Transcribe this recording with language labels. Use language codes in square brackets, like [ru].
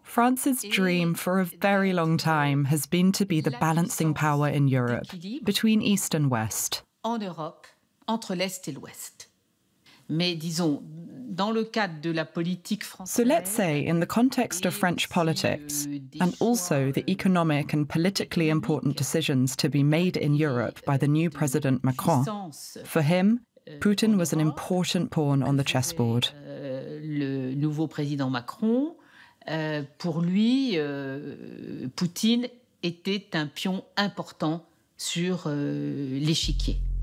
[en] France's dream for a very long time has been to be the balancing power in Europe between East and West. [fr] En Europe, entre l'Est et l'Ouest. Mais disons, dans le cadre de la politique française, [en] so let's say, in the context of French politics, and also the economic and politically important decisions to be made in Europe by the new President Macron, for him, Putin was an important pawn on the chessboard. [fr] Le nouveau président Macron, pour lui, Poutine était un pion important sur l'échiquier.